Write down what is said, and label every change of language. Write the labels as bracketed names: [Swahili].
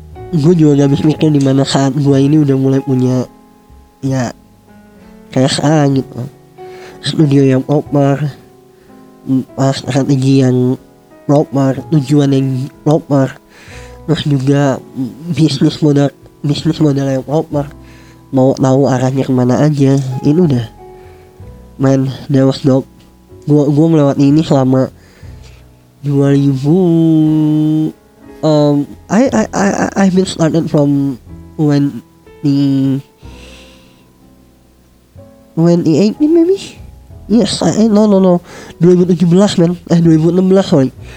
[Indonesian] Gue juga gak habis mikir di mana saat gue ini udah mulai punya, ya kayak sekarang gitu, studio yang proper, strategi yang proper, tujuan yang proper, terus juga bisnis model yang proper, mau tahu arahnya kemana aja. Ini udah [English] man, that was dope. [Indonesian] Gue melewati ini selama 2000. [English] I've been started from 2018 maybe? Yes, no. 2017 man, 2016 sorry.